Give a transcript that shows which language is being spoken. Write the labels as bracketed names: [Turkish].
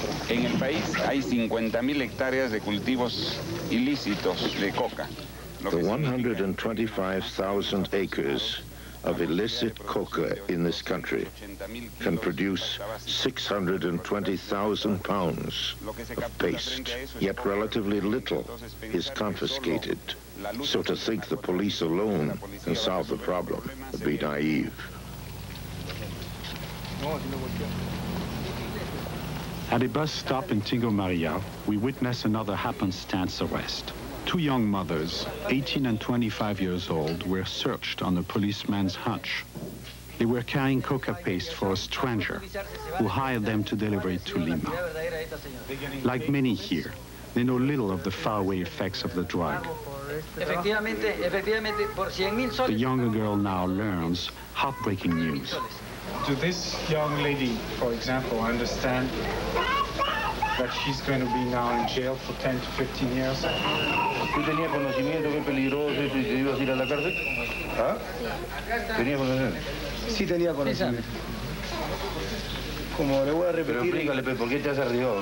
[Spanish] En el país hay 50,000 hectáreas de cultivos ilícitos de coca. [English] The 125,000 acres of illicit coca in this country can produce 620,000 pounds of paste, yet relatively little is confiscated. So to think the police alone can solve the problem would be naive. At a bus stop in Tingo Maria, we witness another happenstance arrest. Two young mothers, 18 and 25 years old, were searched on a policeman's hunch. They were carrying coca paste for a stranger who hired them to deliver it to Lima. Like many here, they know little of the faraway effects of the drug. The younger girl now learns heartbreaking news. Do this young lady, for example, understand that she's going to be now in jail for 10 to 15 years? [Spanish] ¿Tú tenías conocimiento que peligroso esto y te ibas a ir a la cárcel? ¿Ah? ¿Tenías conocimiento? Sí, tenía conocimiento. Como le voy a repetir... Pero explícale, Pepe, ¿por qué te has arriesgado?